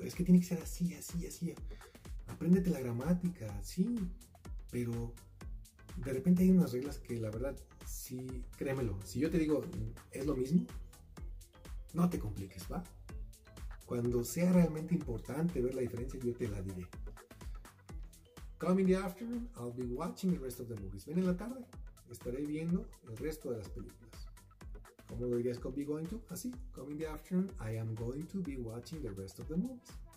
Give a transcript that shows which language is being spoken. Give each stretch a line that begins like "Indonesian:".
Spanish: Es que tiene que ser así, así, así. Apréndete la gramática, sí. Pero de repente hay unas reglas que la verdad, sí, créemelo. Si yo te digo, es lo mismo, no te compliques, ¿va? Cuando sea realmente importante ver la diferencia, yo te la diré.
English: Come in the afternoon, I'll be watching the rest of the movies.
Spanish: Ven en la tarde, estaré viendo el resto de las películas. ¿Cómo lo dirías con be going to?
English: Así, come in the afternoon, I am going to be watching the rest of the movies.